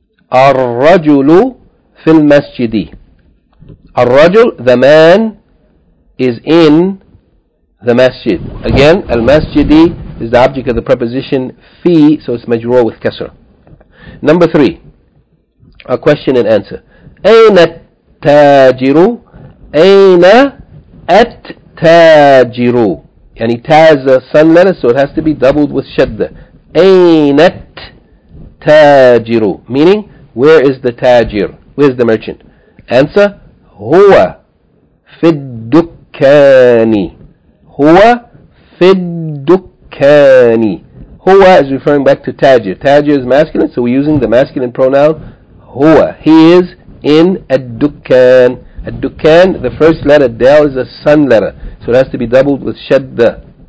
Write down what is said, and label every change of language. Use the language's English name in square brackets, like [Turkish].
[Arabic] Ar-rajulu fil masjidi. [English] Ar-rajul, the man, is in the masjid. Again, al-masjidi is the object of the preposition fi, so it's majroor with kasra. Number 3. A question and answer. [Arabic] Aynat تَاجِرُ أَيْنَ التَّاجِرُ. [English] يعني تاز a sun letter, so it has to be doubled with شَدَّ. [Arabic] أَيْنَ التَّاجِرُ. [English] Meaning, where is the تاجر? Where is the merchant? [Arabic] Answer, هُوَ فِي الدُّكَّانِ. هُوَ فِي الدُّكَّانِ. [English] هُوَ is referring back to تاجر. تاجر is masculine, so we're using the masculine pronoun هُوَ. He is in ad-dukkan. Ad-dukkan, the first letter, dal, is a sun letter, so it has to be doubled with shadda.